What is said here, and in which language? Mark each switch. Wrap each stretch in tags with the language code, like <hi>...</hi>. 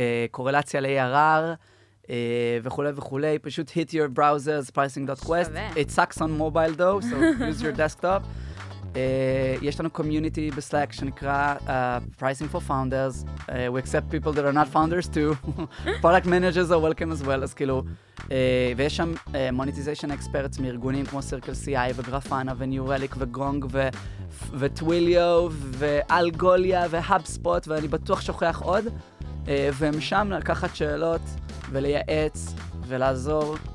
<he>קורלציה ל-ARR, וכולי וכולי, פשוט</he> <en>hit your browsers,</en> <he>pricing.quest.</he> <en>It sucks on mobile though, so use your desktop.</en> <he>יש לנו community בסלאק שנקרא Pricing for Founders.</he> <en>We accept people that are not founders too. Product managers are welcome as well,</en> <he>אז כאילו. ויש שם monetization experts מארגונים כמו Circle CI וגרפנה וניו רליק וגונג וטוויליו ואלגוליה והאבספוט, ואני בטוח שוכח עוד. והם שם לקחת שאלות ולייעץ ולעזור.</he>